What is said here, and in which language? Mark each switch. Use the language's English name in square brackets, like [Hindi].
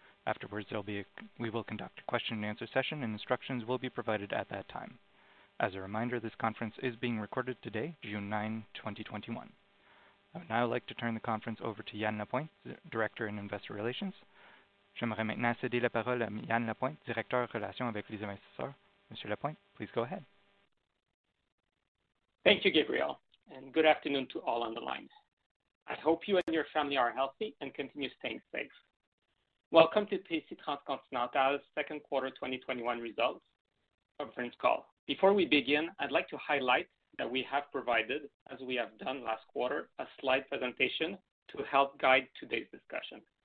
[English] Afterwards, we will conduct a question-and-answer session, and instructions will be provided at that time. As a reminder, this conference is being recorded today, June 9, 2021. I would now like to turn the conference over to Yann Lapointe, Director in Investor Relations. [French] J'aimerais maintenant céder la parole à Yann Lapointe, Directeur Relations avec les investisseurs. [English] Monsieur Lapointe, please go ahead. Thank you, Gabriel, and good afternoon to all on the line. I hope you and your family are healthy and continue staying safe. Welcome to TC Transcontinental's second quarter 2021 results conference call. Before we begin, I'd like to highlight that we have provided, as we have done last quarter, a slide presentation to help guide today's discussion.